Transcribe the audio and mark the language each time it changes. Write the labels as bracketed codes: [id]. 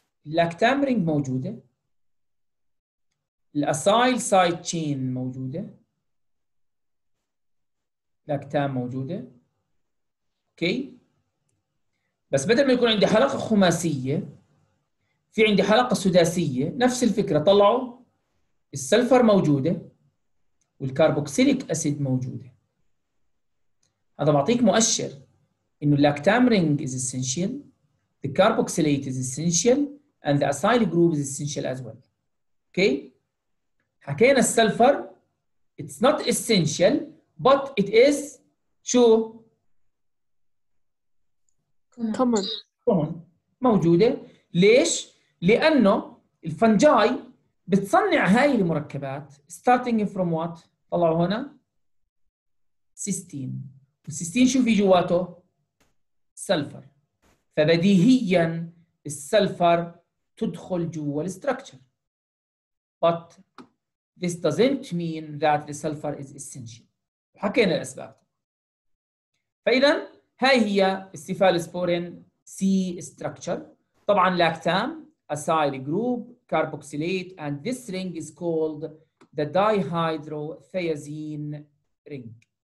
[ar] اللاكتام رينج موجودة، الأسايل سايد تشين موجودة، لاكتام موجودة. اوكي بس بدل ما يكون عندي حلقة خماسية في عندي حلقة سداسية. نفس الفكرة، طلعوا السلفر موجودة والكاربوكسيليك أسيد موجودة. هذا بعطيك مؤشر إنه اللاكتامرينج [en] is essential, the carboxylate is essential and the acyl group is essential as well. Okay؟ [ar] حكينا السلفر [en] it's not essential but it is [ar] شو؟ [en] common [ar] موجودة. ليش؟ لأنه الفنجاي بتصنع هاي المركبات [en] starting from what؟ [ar] طلعوا هنا سيستين، والسيستين شو في جواته؟ سلفر. فبديهيا السلفر تدخل جوا الستركتشر. [en] But this doesn't mean that the sulfur is essential. [ar] وحكينا الأسباب. فإذا هاي هي السيفالسبورين سي ستركتشر. طبعا لاكتام [en] acyl group carboxylate and this ring is called the dihydrothiazine ring.